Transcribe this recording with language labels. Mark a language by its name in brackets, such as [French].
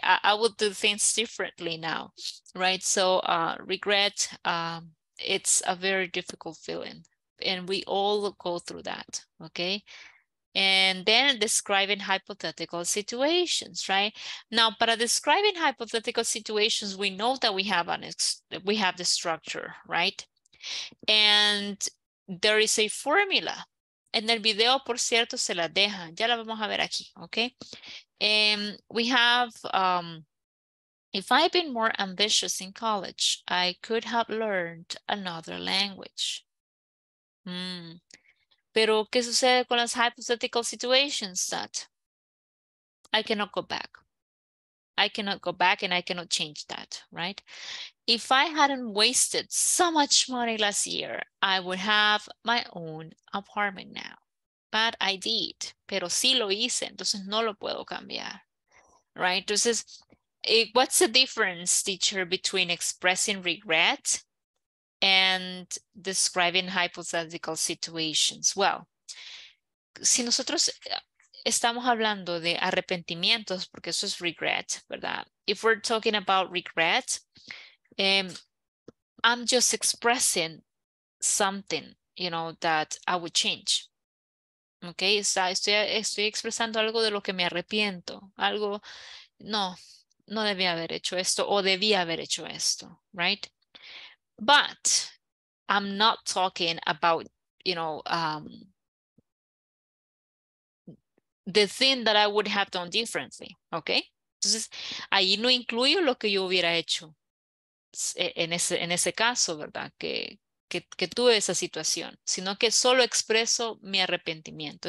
[English] I would do things differently now, right? So regret, it's a very difficult feeling. And we all go through that, okay? And then describing hypothetical situations, right? Now, para describing hypothetical situations, we know that we have we have the structure, right? And there is a formula. [Spanish] En el video, por cierto, se la deja. Ya la vamos a ver aquí, okay? [English] We have, if I'd been more ambitious in college, I could have learned another language. [Spanish] Pero, ¿qué sucede con las [English] hypothetical situations that I cannot go back? I cannot go back and I cannot change that, right? If I hadn't wasted so much money last year, I would have my own apartment now. But I did, [Spanish] pero sí lo hice, entonces no lo puedo cambiar, right? [English] Entonces, what's the difference, teacher, between expressing regret and describing hypothetical situations? [Spanish] Well, si nosotros estamos hablando de arrepentimientos, porque eso es regret, ¿verdad? [English] If we're talking about regret, I'm just expressing something, you know, that I would change. [Spanish] Okay, so estoy expresando algo de lo que me arrepiento. Algo, no debí haber hecho esto o debí haber hecho esto, right? [English] But I'm not talking about, you know, the thing that I would have done differently, okay? [Spanish] Entonces, ahí no incluyo lo que yo hubiera hecho. En ese caso, ¿verdad? Que tuve esa situación, sino que solo expreso mi arrepentimiento.